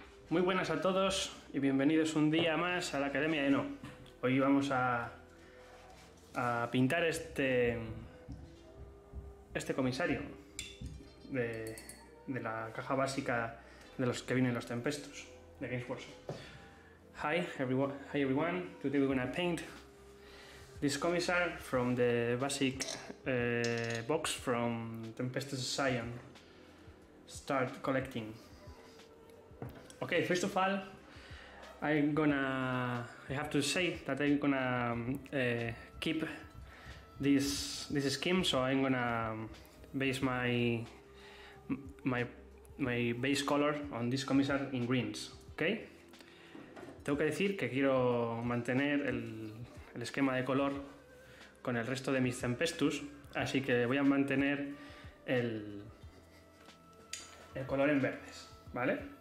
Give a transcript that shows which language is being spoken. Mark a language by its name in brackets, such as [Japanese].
[Spanish] Muy buenas a todos y bienvenidos un día más a la Academia de No. Hoy vamos a pintar este comisario de la caja básica de los que vienen los tempestos de Games Workshop. [English] Hi everyone. Today we're gonna paint this commissar from the basic box from Tempestus Scion. Start collecting. Okay, first of all, I have to say that I'm gonna keep this scheme. So I'm gonna base my base color on this commissar in greens. Okay. [Spanish] Tengo que decir que quiero mantener el esquema de color con el resto de mis Tempestus, así que voy a mantener el color en verdes, ¿vale?